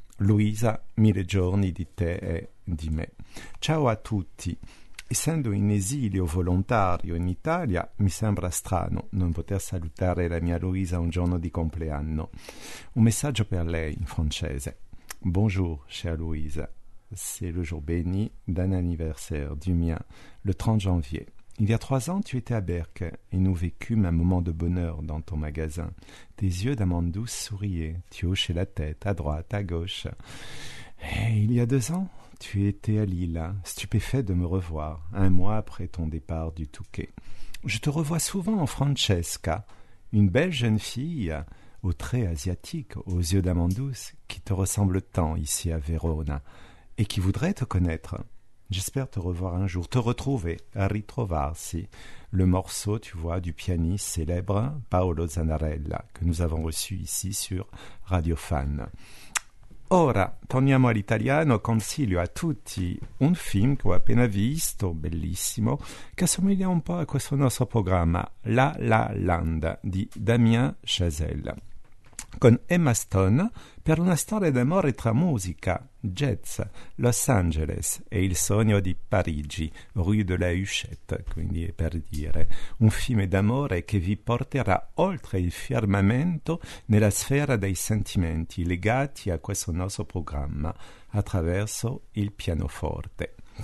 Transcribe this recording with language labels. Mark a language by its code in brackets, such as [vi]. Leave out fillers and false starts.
[it] Luisa, mille giorni di te e di me. Ciao a tutti. Essendo in esilio volontario in Italia, mi sembra strano non poter salutare la mia Luisa un giorno di compleanno. Un messaggio per lei in francese. [fr] Bonjour, chère Louise. C'est le jour béni d'un anniversaire du mien, le 30 janvier. Il y a 3 ans, tu étais à Berck et nous vécûmes un moment de bonheur dans ton magasin. Tes yeux d'amande douce souriaient, tu hochais la tête à droite, à gauche. Et il y a 2 ans, tu étais à Lille, stupéfait de me revoir, un mois après ton départ du Touquet. Je te revois souvent en Francesca, une belle jeune fille, aux traits asiatiques, aux yeux d'amande douce, qui te ressemble tant ici à Vérone, et qui voudrait te connaître. J'espère te revoir un jour, te retrouver, à ritrovarsi. Le morceau, tu vois, du pianiste célèbre Paolo Zanarella, que nous avons reçu ici sur Radio Fan. [it] Ora, torniamo all'italiano, consiglio a tutti un film che ho appena visto, bellissimo, che assomiglia un po' a questo nostro programma, La La Land, di Damien Chazelle, con Emma Stone, per una storia d'amore tra musica, jazz, Los Angeles e il sogno di Parigi, Rue de la Huchette, quindi è per dire, un film d'amore che vi porterà oltre il firmamento nella sfera dei sentimenti legati a questo nostro programma attraverso il pianoforte.